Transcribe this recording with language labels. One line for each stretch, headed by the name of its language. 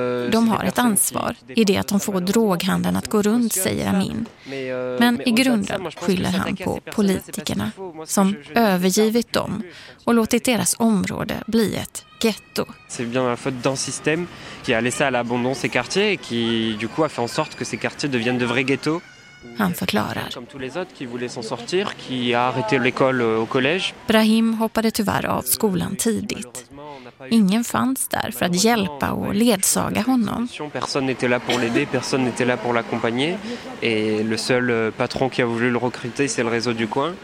Swedish: De har ett ansvar i det att de får droghandeln att gå runt, säger Amin. Men i grunden skyller han på politikerna som övergivit dem och låtit deras område bli ett ghetto.
French: C'est bien la faute d'un système qui a laissé à l'abandon ces quartiers et qui du coup a fait en sorte que ces quartiers deviennent de vrais ghettos.
Swedish: Han förklarar.
French: Comme tous les autres qui voulaient s'en sortir, qui a arrêté l'école au collège.
Swedish: Brahim hoppade tyvärr av skolan tidigt. Ingen fanns där för att hjälpa och ledsaga honom.
French: Personne n'était là pour l'aider, personne n'était là pour l'accompagner et le seul patron qui a voulu le recruter, c'est le réseau du coin.